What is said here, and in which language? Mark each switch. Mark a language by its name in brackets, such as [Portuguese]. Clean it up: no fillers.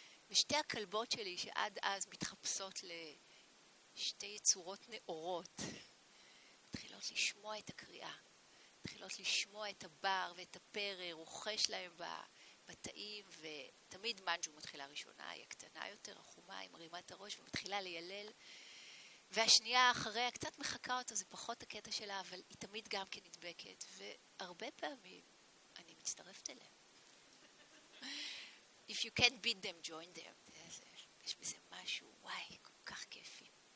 [Hebrew] ושתי הכלבות שלי שעד אז מתחפשות לשתי יצורות נאורות, מתחילות לשמוע את הקריאה, מתחילות לשמוע את הבר ואת הפרר, רוחש להם בתאים, ותמיד מנג'ו מתחילה ראשונה, היא הקטנה יותר, החומה, היא מרימה את הראש ומתחילה לילל, והשנייה אחריה קצת מחכה אותה, זה פחות הקטע שלה, אבל היא תמיד גם כן נדבקת, והרבה פעמים אני מצטרפת אליהם. [English] If you can't beat them, join them. [Hebrew] יש בזה משהו, וואי, כל כך כיפי.